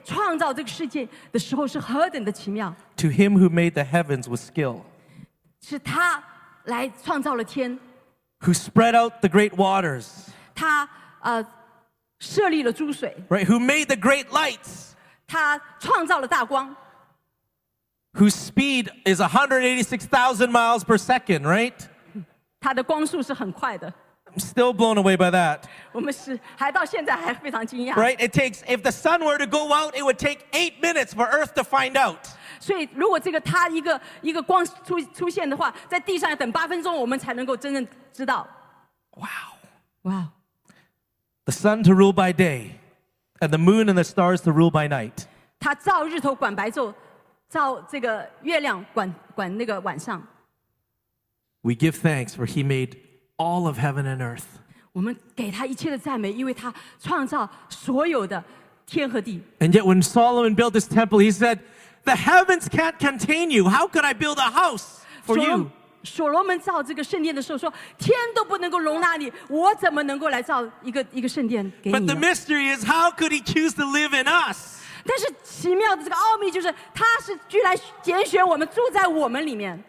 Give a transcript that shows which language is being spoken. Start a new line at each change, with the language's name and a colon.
Chinese: 所以当我们向上看的时候，我们就会觉得说，哇，他在创造这个世界的时候是何等的奇妙。
English: To him who made the heavens with skill.
Chinese: 是他来创造了天。
English: Who spread out the great waters.
Chinese: 他设立了诸水。
English: Right, who made the great lights.
Chinese: 他创造了大光。
English: Whose speed is 186,000 miles per second, right?
Chinese: 他的光速是很快的。
English: I'm still blown away by that.
Chinese: 我们是还到现在还非常惊讶。
English: Right? If the sun were to go out, it would take 8 minutes for Earth to find out.
Chinese: 所以如果这个它一个光出现的话, 在地上等8分钟我们才能够真正知道。
English: Wow. Wow. The sun to rule by day, and the moon and the stars to rule by night.
Chinese: 它照日头管白昼, 照这个月亮管那个晚上。
English: We give thanks for he made all of heaven and earth.
Chinese: 我们给他一切的赞美, 因为他创造所有的天和地。
English: And yet when Solomon built this temple, he said, the heavens can't contain you. How could I build a house for you?
Chinese: 所罗门造这个圣殿的时候, 说, 天都不能够容纳你, 我怎么能够来造一个圣殿给你呢?
English: But the mystery is, how could he choose to live in us?
Chinese: 但是奇妙的这个奥秘就是, 他是居然拣选我们, 住在我们里面。